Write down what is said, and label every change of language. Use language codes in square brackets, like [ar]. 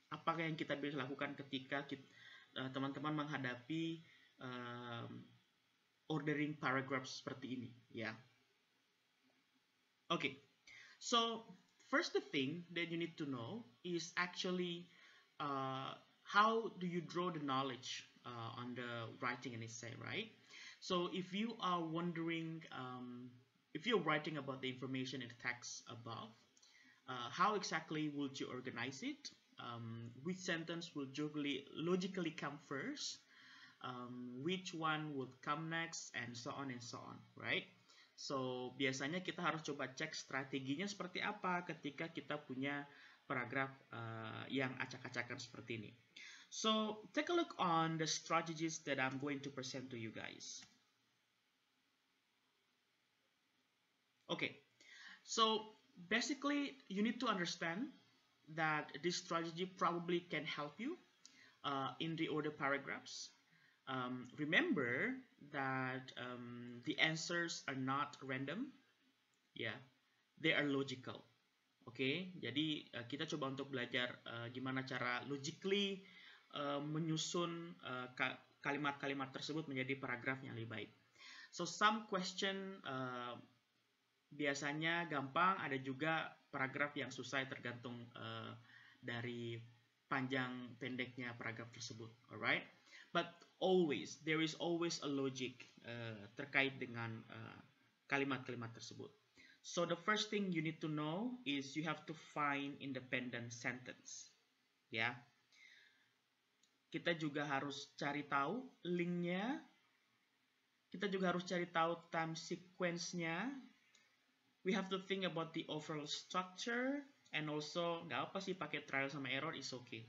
[id] Apa yang kita bisa lakukan ketika teman-teman menghadapi ordering paragraphs seperti ini, ya. [en] Okay, so first the thing that you need to know is actually how do you draw the knowledge on the writing and essay, right? So if you are wondering, if you're writing about the information in the text above, how exactly would you organize it? Which sentence will logically come first? Which one would come next? And so on, right? [id] So, biasanya kita harus coba cek strateginya seperti apa ketika kita punya paragraf yang acak-acakan seperti ini. [en] So, take a look on the strategies that I'm going to present to you guys. Okay, so basically you need to understand that this strategy probably can help you in the order paragraphs. Remember that the answers are not random, yeah, they are logical. [id] Okay, jadi kita coba untuk belajar gimana cara logically menyusun kalimat-kalimat tersebut menjadi paragraf yang lebih baik. [en] So some question [id] biasanya gampang, ada juga paragraf yang susah tergantung dari panjang pendeknya paragraf tersebut. [en] Alright, but always there is always a logic [id] terkait dengan kalimat-kalimat tersebut. [en] So the first thing you need to know is you have to find independent sentence. Ya. Yeah. [id] Kita juga harus cari tahu link-nya. Kita juga harus cari tahu time sequence-nya. [en] We have to think about the overall structure and also [id] enggak apa sih pakai [en] trial sama error is okay.